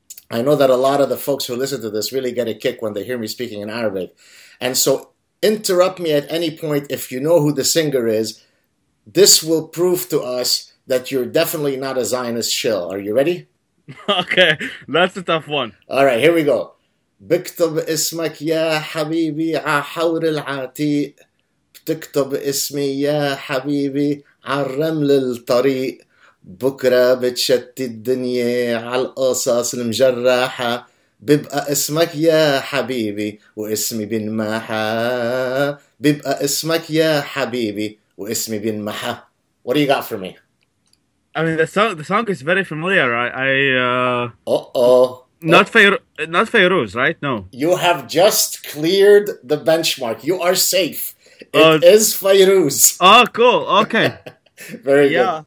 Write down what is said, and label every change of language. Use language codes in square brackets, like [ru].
[en] I know that a lot of the folks who listen to this really get a kick when they hear me speaking in Arabic. And so interrupt me at any point if you know who the singer is. This will prove to us that you're definitely not a Zionist shill. Are you ready? Okay, that's a tough one. All right, here we go. [ar] بكتب اسمك يا حبيبي على حور العتيق بتكتب اسمي يا حبيبي على الرمل الطريق بكرة بتشتي الدنيا على القصص المجرحة بيبقى اسمك يا حبيبي واسمي بينمحى بيبقى اسمك يا حبيبي واسمي بينمحى. [en] What do you got for me? I mean, the song is very familiar, right? Uh-oh. Not Fairuz, right? No. You have just cleared the benchmark. You are safe. It Oh, is Fairuz. cool. Okay. Very good. Yeah.